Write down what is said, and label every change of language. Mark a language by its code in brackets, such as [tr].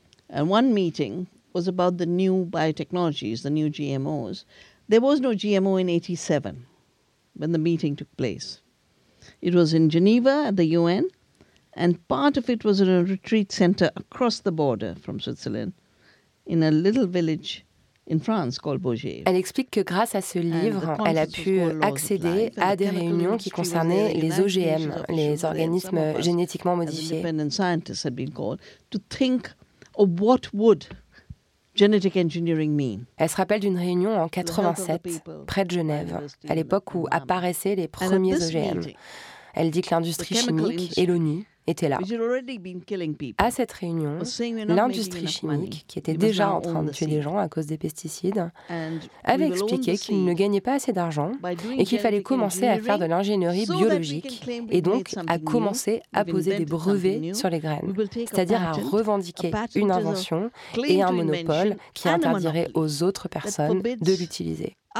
[en] And one meeting was about the new biotechnologies, the new GMOs. There was no GMO in 87 when the meeting took place. It was in Geneva at the UN, and part of it was in a retreat center across the border from Switzerland in a little village in France, called Bourget. [fr] Elle explique que grâce à ce livre, elle a pu accéder à des réunions qui concernaient les OGM, les organismes génétiquement modifiés. [en] Independent scientists had been called to think of what would genetic engineering mean. [fr] Elle se rappelle d'une réunion en 87, près de Genève, à l'époque où apparaissaient les premiers OGM. Elle dit que l'industrie chimique et l'ONU était là. À cette réunion, l'industrie chimique, qui était déjà en train de tuer des gens à cause des pesticides, avait expliqué qu'ils ne gagnaient pas assez d'argent et qu'il fallait commencer à faire de l'ingénierie biologique et donc à commencer à poser des brevets sur les graines, c'est-à-dire à revendiquer une invention et un monopole qui interdirait aux autres personnes de l'utiliser.